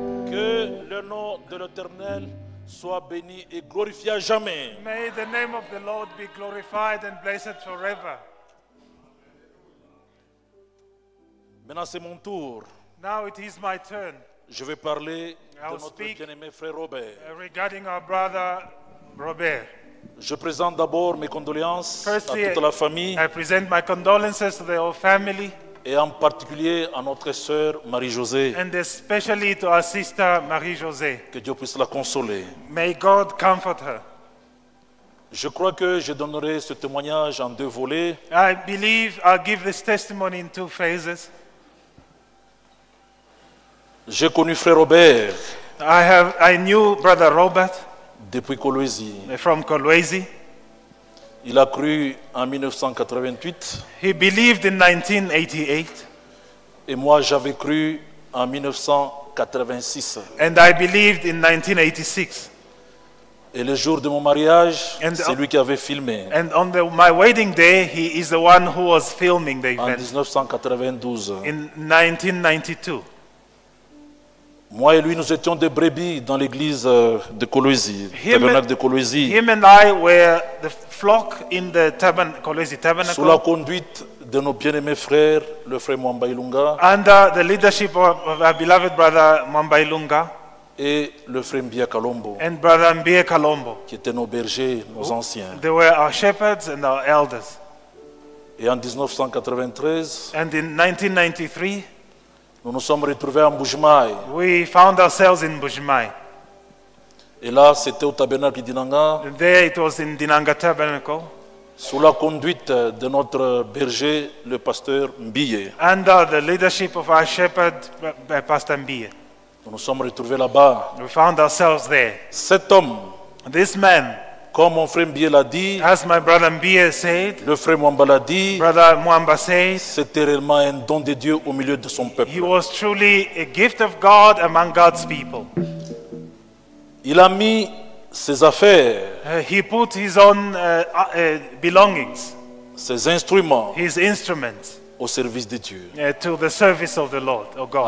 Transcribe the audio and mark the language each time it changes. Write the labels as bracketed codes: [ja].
[fr] Que le nom de l'Éternel soit béni et glorifié à jamais. [en] May the name of the Lord be glorified and blessed forever. [fr] Maintenant c'est mon tour. [en] Now it is my turn. [fr] Je vais parler de notre bien-aimé frère Robert. [en] Regarding our brother Robert. [fr] Je présente d'abord mes condoléances [en] firstly, [fr] à toute la famille. [en] I present my condolences to the whole family. [fr] Et en particulier à notre sœur Marie-Josée. [en] And especially to our sister Marie-Josée. [fr] Que Dieu puisse la consoler. [en] May God comfort her. [fr] Je crois que je donnerai ce témoignage en deux volets. [en] I believe I'll give this testimony in two phases. [fr] J'ai connu frère Robert. [en] I knew brother Robert. [fr] Depuis Kolwezi. [en] From Kolwezi. [fr] Il a cru en 1988. [en] He believed in 1988. [fr] Et moi j'avais cru en 1986. [en] And I believed in 1986. [fr] Et le jour de mon mariage, c'est lui qui avait filmé. [en] And on my wedding day, he is the one who was filming the event. [fr] En 1992. [en] In 1992. [fr] Moi et lui, nous étions des brebis dans l'église de Kolwezi, tabernacle de Kolwezi. [en] Him and I were the flock in the Kolwezi tabernacle. [fr] Sous la conduite de nos bien-aimés frères, le frère Mwamba Ilunga. [en] Under the leadership of our beloved brother Mwamba Ilunga. [fr] Et le frère Mbia Kalombo. [en] And brother Mbia Kalombo. [fr] Qui étaient nos bergers, nos anciens. [en] They were our shepherds and our elders. [fr] Et en 1993. [en] And in 1993. [fr] Nous nous sommes retrouvés en Bujmai. [en] We found ourselves in Bujmai. [fr] Et là, c'était au tabernacle d'Inanga. [en] There it was in Dinanga Tabernacle. [fr] Sous la conduite de notre berger, le pasteur Mbiye. [en] Under the leadership of our shepherd, Pastor Mbiye. [fr] Nous nous sommes retrouvés là-bas. [en] We found ourselves there. [fr] Cet homme. [en] This man. [fr] Comme mon frère Mbiye l'a dit. [en] As my brother Mbiye said. [fr] Le frère Mwamba l'a dit. [en] Brother Mwamba says. [fr] C'était réellement un don de Dieu au milieu de son peuple. [en] He was truly a gift of God among God's people. [fr] Il a mis ses affaires. [en] He put his own belongings. [fr] Ses instruments. [en] His instruments. [fr] Au service de Dieu. [en] To the service of the Lord, oh God.